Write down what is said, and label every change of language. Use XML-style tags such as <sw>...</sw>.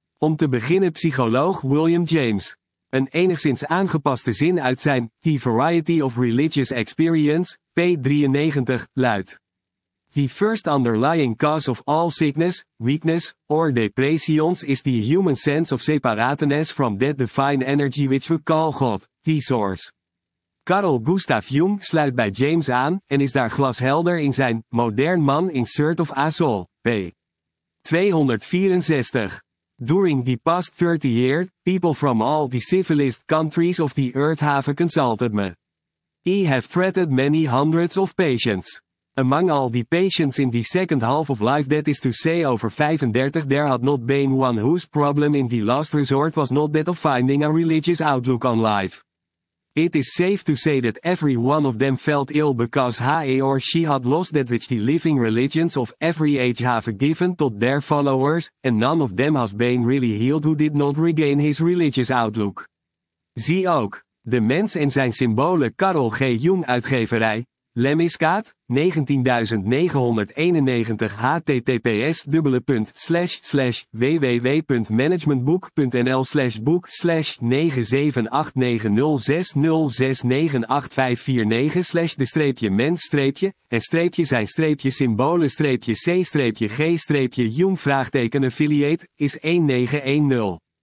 <nl>Om te beginnen psycholoog William James. Een enigszins aangepaste zin uit zijn</nl> <en>The Variety of Religious Experience, p. 93, luidt: The first underlying cause of all sickness, weakness, or depressions is the human sense of separateness from that divine energy which we call God, the source.</en> <nl>Carl Gustav Jung sluit bij James aan en is daar glashelder in zijn Modern Man in Search of a Soul, p. 264.</nl> <en>During the past 30 years, people from all the civilized countries of the earth have consulted me. I have treated many hundreds of patients. Among all the patients in the second half of life, that is to say over 35, there had not been one whose problem in the last resort was not that of finding a religious outlook on life. It is safe to say that every one of them felt ill because he or she had lost that which the living religions of every age have given to their followers, and none of them has been really healed who did not regain his religious outlook.</en> <nl>Zie ook, De Mens en zijn Symbolen, Carl G. Jung Uitgeverij, Lemmiskaat, 19.991 https://www.managementboek.nl/boek/9789006068549/mens/en/zijn-symbolen-c-symbolen-j-jung-vraagteken-affiliate-is1910.</nl>